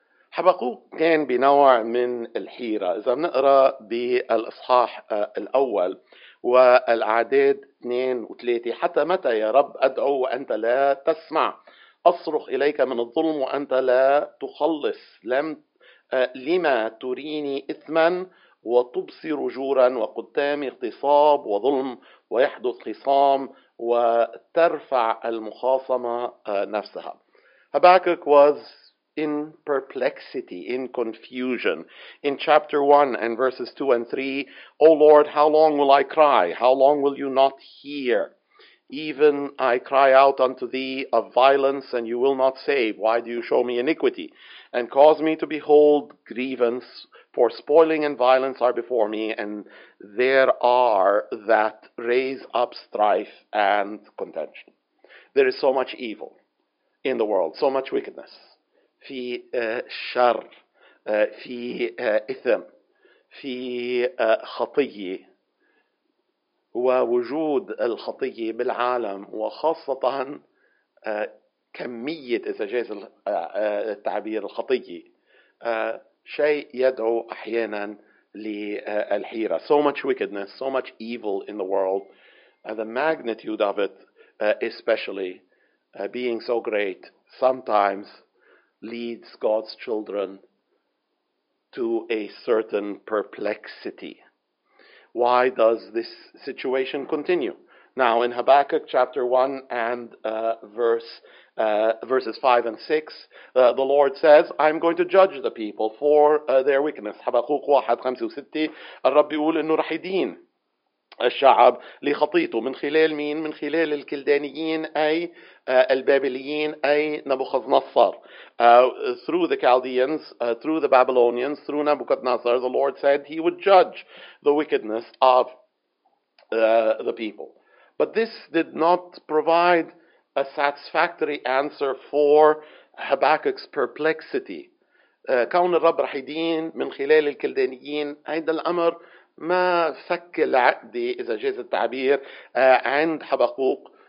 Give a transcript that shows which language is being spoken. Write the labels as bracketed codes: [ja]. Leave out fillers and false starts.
[ar] حبقوق كان بنوع من الحيرة. إذا بنقرأ بالإصحاح الأول والأعداد 2 و3 حتى متى يا رب أدعو وأنت لا تسمع أصرخ إليك من الظلم وأنت لا تخلص لما تريني إثما وتبصر جورا وقدامي اغتصاب وظلم ويحدث خصام وترفع المخاصمة نفسها. [en] حبقوق was in perplexity, in confusion. In chapter 1 and verses 2 and 3, O Lord, how long will I cry? How long will you not hear? Even I cry out unto thee of violence, and you will not save. Why do you show me iniquity? And cause me to behold grievance, for spoiling and violence are before me, and there are that raise up strife and contention. There is so much evil in the world, so much wickedness. [ar] في شر في إثم في خطية ووجود الخطية بالعالم وخاصة كمية إذا جاز التعبير الخطية شيء يدعو أحيانا للحيرة. [en] So much wickedness, so much evil in the world, the magnitude of it especially being so great sometimes leads God's children to a certain perplexity. Why does this situation continue? Now, in Habakkuk chapter 1 and verses 5 and 6, the Lord says, I'm going to judge the people for their wickedness. [ar] Habakkuk 1:5-6, الرب يقول إنه رح يدين الشعب لخطيته من خلال مين؟ من خلال الكلدانيين أي البابليين أي نبوخذنصر. [en] Through the Chaldeans, through the Babylonians, through Nebuchadnezzar, the Lord said he would judge the wickedness of the people. But this did not provide a satisfactory answer for Habakkuk's perplexity. [ar] كون الرب رح يدين من خلال الكلدانيين هيدا الأمر ما فك العقدة إذا جاز التعبير عند حبقوق.